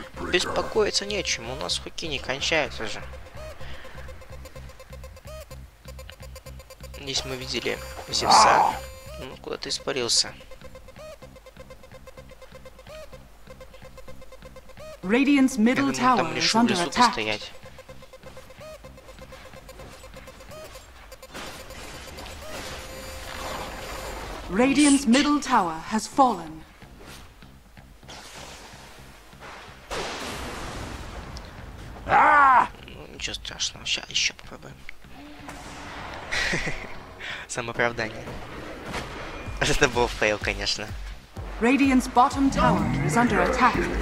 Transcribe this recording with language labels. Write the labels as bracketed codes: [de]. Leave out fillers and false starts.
[ru] Беспокоиться нечем, у нас хуки не кончаются же. Здесь мы видели Зевса, он куда-то испарился. [en] Radiant's middle tower is under attack. Radiant's middle tower has fallen. [ru] Ну, ничего страшного, сейчас еще попробуем. Самооправдание. Это был фейл, конечно. [en] Radiant's bottom tower is under attack.